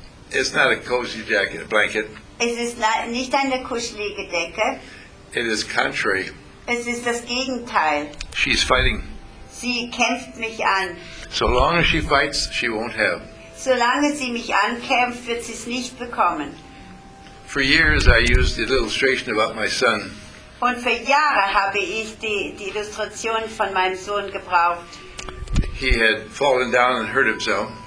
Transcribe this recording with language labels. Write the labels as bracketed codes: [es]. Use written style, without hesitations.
[en] It's not a cozy jacket, blanket. [de] Es ist nicht eine kuschelige Decke. [en] It is contrary. [de] Es ist das Gegenteil. [en] She's fighting. [de] Sie kämpft mich an. [en] So long as she fights, she won't have. [de] Solange sie mich ankämpft, wird sie es nicht bekommen. [en] For years I used the illustration about my son. [de] Und für Jahre habe ich die Illustration von meinem Sohn gebraucht. [en] He had fallen down and hurt himself.